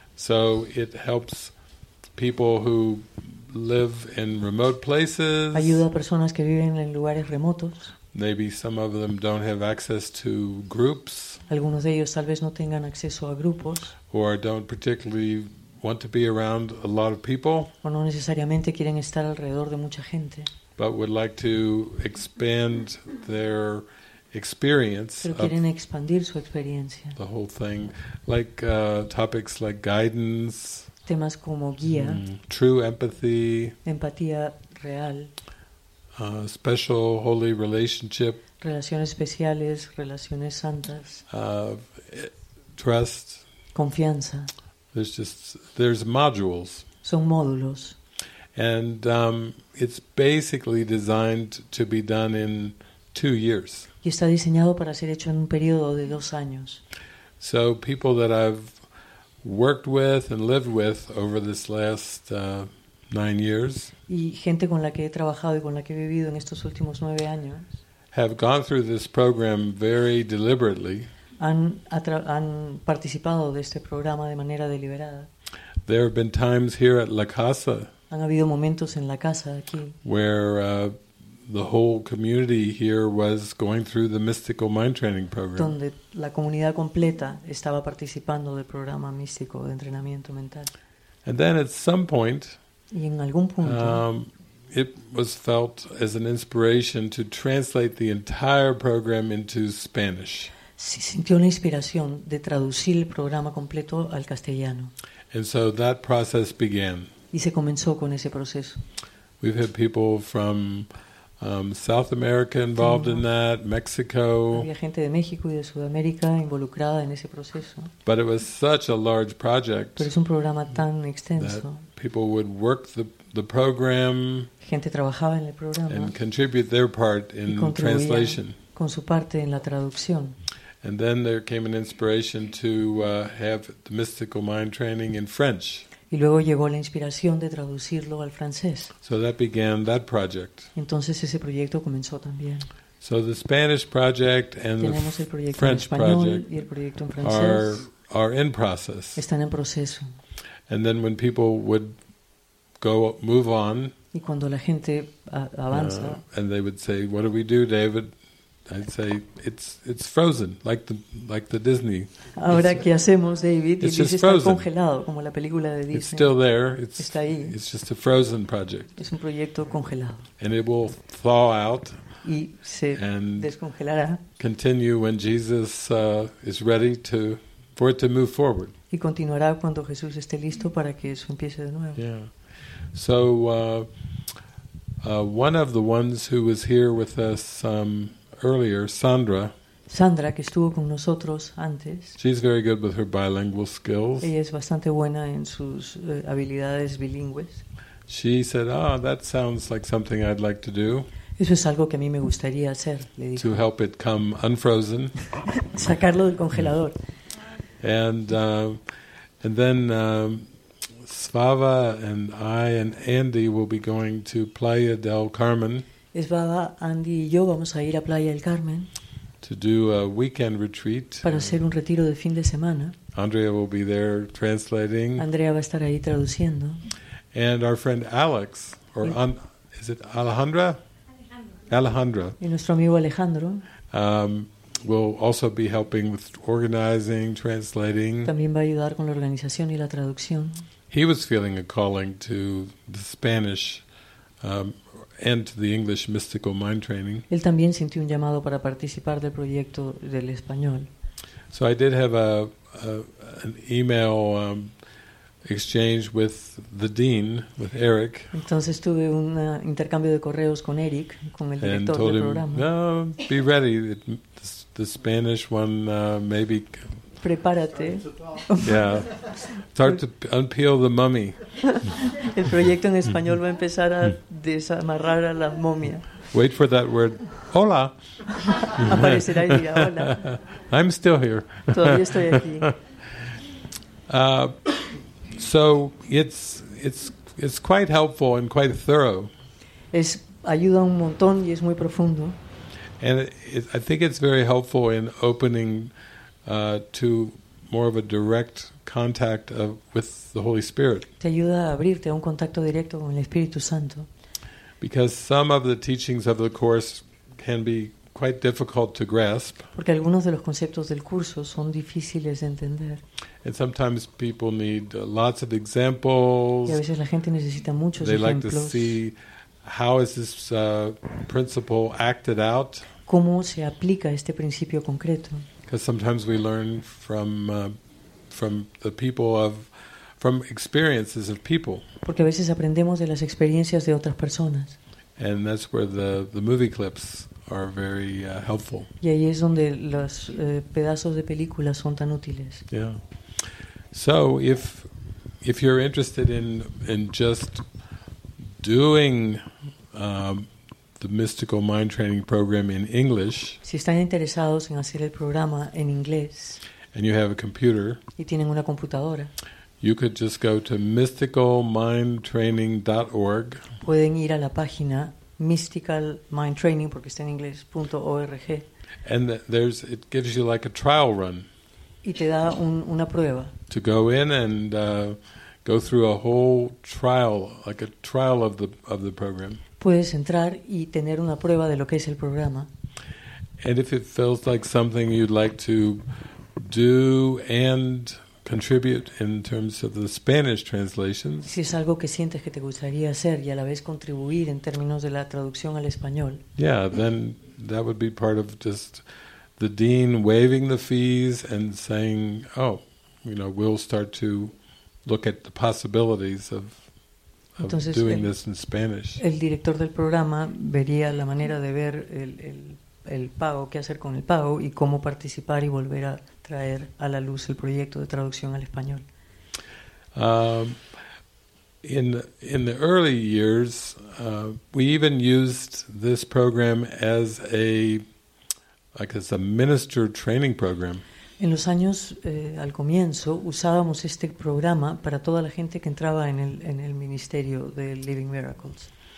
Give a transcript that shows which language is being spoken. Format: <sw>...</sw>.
<en>So it helps people who live in remote places.</en> <es>Ayuda a personas que viven en lugares remotos.</es> <en>Maybe some of them don't have access to groups.</en> <es>Algunos de ellos tal vez no tengan acceso a grupos.</es> <en>Or don't particularly want to be around a lot of people.</en> <es>O no necesariamente quieren estar alrededor de mucha gente.</es> <en>But would like to expand their experience.</en> <es>Pero quieren expandir su experiencia.</es> <en>The whole thing, like topics like guidance.</en> <es>Temas como guía.</es> <en>True empathy.</en> <es>Empatía real.</es> <en>Special holy relationship.</en> <es>Relaciones especiales, relaciones santas.</es> <en>Trust.</en> <es>Confianza.</es> <en>There's modules.</en> <es>Son módulos.</es> <en>And it's basically designed to be done in 2 years.</en> <es>Y está diseñado para ser hecho en un periodo de 2 años.</es> <en>So people that I've worked with and lived with over this last 9 years.</en> <es>Y gente con la que he trabajado y con la que he vivido en estos últimos 9 años.</es> <en>Have gone through this program very deliberately.</en> <es>Han participado de este programa de manera deliberada.</es> <en>There have been times here at La Casa.</en> <es>Han habido momentos en La Casa aquí.</es> <en>Where the whole community here was going through the mystical mind training program.</en> <es>Donde la comunidad completa estaba participando del programa místico de entrenamiento mental.</es> <en>And then at some point.</en> <es>Y en algún punto.</es> <en>It was felt as an inspiration to translate the entire program into Spanish.</en> <es>Se sintió la inspiración de traducir el programa completo al castellano.</es> <en>And so that process began.</en> <es>Y se comenzó con ese proceso.</es> <en>We've had people from South America involved in that, Mexico.</en> <es>Había gente de México y de Sudamérica involucrada en ese proceso.</es> <en>But it was such a large project.</en> <es>Pero es un programa tan extenso.</es> <en>That people would work the program.</en> <es>Gente trabajaba en el programa.</es> <en>And contribute their part in translation.</en> <es>Con su parte en la traducción.</es> <en>And then there came an inspiration to have the mystical mind training in French.</en> <es>Y luego llegó la inspiración de traducirlo al francés.</es> <en>So that began that project.</en> <es>Entonces ese proyecto comenzó también.</es> <en>So the Spanish project and</en> <es>tenemos</es> <en>the</en> <es>el proyecto</es> <en>French</en> <es>en español</es> <en>project</en> <es>y el proyecto en francés</es> <en>are in process.</en> <es>Están en proceso.</es> <en>And then when people would go move on,</en> <es>y cuando la gente avanza,</es> <en>and they would say, "What do we do, David?" I'd say, "It's frozen, like the Disney."</en> <es>Ahora qué hacemos, David?</es> <en>It's just frozen.</en> <es>Está congelado, como la película de Disney.</es> <en>It's still there. It's,</en> <es>está ahí.</es> <en>It's just a frozen project.</en> <es>Es un proyecto congelado.</es> <en>And it will thaw out.</en> <es>Y se descongelará.</es> <en>Continue when Jesus is ready to for it to move forward.</en> <es>Y continuará cuando Jesús esté listo para que eso empiece de nuevo.</es> <en>Yeah. So one of the ones who was here with us earlier, Sandra,</en> <es>que estuvo con nosotros antes.</es> <en>She's very good with her bilingual skills.</en> <es>Ella es bastante buena en sus habilidades bilingües.</es> <en>She said, "Ah, oh, that sounds like something I'd like to do."</en> <es>Eso es algo que a mí me gustaría hacer, le dije.</es> <en>To help it come unfrozen.</en> <es>Sacarlo del congelador.</es> <en>And then Svava and I and Andy will be going to Playa del Carmen.</en> <es>Svava, Andy y yo vamos a ir a Playa del Carmen.</es> <en>To do a weekend retreat.</en> <es>Para hacer un retiro de fin de semana.</es> <en>Andrea will be there translating.</en> <es>Andrea va a estar ahí traduciendo.</es> <en>And our friend Alex, or is it Alejandra? Alejandra.</en> <es>Y nuestro amigo Alejandro.</es> <en>Will also be helping with organizing, translating.</en> <es>También va a ayudar con la organización y la traducción.</es> <en>He was feeling a calling to the Spanish and to the English mystical mind training.</en> <es>Él también sintió un llamado para participar del proyecto del español.</es> <en>So I did have an email exchange with the dean, with Eric.</en> <es>Entonces tuve un intercambio de correos con Eric, con el director del programa.</es> <en>And told him, "No, be ready. The Spanish one maybe."</en> <es>Prepárate.</es> <en>Yeah, start to unpeel the mummy.</en> <es>El proyecto en español va a empezar a desamarrar a la momia.</es> <en>Wait for that word. Hola.</en> <es>Aparecerá y dirá hola.</es> <en>I'm still here.</en> <es>Todavía estoy aquí.</es> <en>So it's quite helpful and quite thorough.</en> <es>Es ayuda un montón y es muy profundo.</es> <en>And I think it's very helpful in opening to more of a direct contact with the Holy Spirit.</en> <es>Te ayuda a abrirte a un contacto directo con el Espíritu Santo.</es> <en>Because some of the teachings of the course can be quite difficult to grasp.</en> <es>Porque algunos de los conceptos del curso son difíciles de entender.</es> <en>And sometimes people need lots of examples.</en> <es>Y a veces la gente necesita muchos</es> <en>they</en> <es>ejemplos.</es> <en>They like to see how is this principle acted out.</en> <es>¿Cómo se aplica este principio concreto?</es> <en>Because sometimes we learn from the people of from experiences of people.</en> <es>Porque a veces aprendemos de las experiencias de otras personas.</es> <en>And that's where the movie clips are very helpful.</en> <es>Y ahí es donde los pedazos de películas son tan útiles.</es> <en>Yeah. So if you're interested in just doing the mystical mind training program in English,</en> <es>si están interesados en hacer el programa en inglés,</es> <en>and you have a computer,</en> <es>y tienen una computadora,</es> <en>you could just go to mysticalmindtraining.org.</en> <es>Pueden ir a la página mysticalmindtraining porque está en inglés .org.</es> <en>And there's it gives you like a trial run.</en> <es>Y te da una prueba.</es> <en>To go in and go through a whole trial, like a trial of the program.</en> <es>Puedes entrar y tener una prueba de lo que es el programa.</es> <en>And if it feels like something you'd like to do and contribute in terms of the Spanish translations.</en> <es>Si es algo que sientes que te gustaría hacer y a la vez contribuir en términos de la traducción al español.</es> <en>Yeah, then that would be part of just the dean waiving the fees and saying, "Oh, you know, we'll start to look at the possibilities of</en> <es>entonces,</es> <en>doing this in Spanish."</en> <es>El director del programa vería la manera de ver el pago, qué hacer con el pago y cómo participar y volver a traer a la luz el proyecto de traducción al español.</es> <en>In the early years, we even used this program as a like as a minister training program.</en> <es>En los años al comienzo usábamos este programa para toda la gente que entraba en el ministerio de Living Miracles.</es>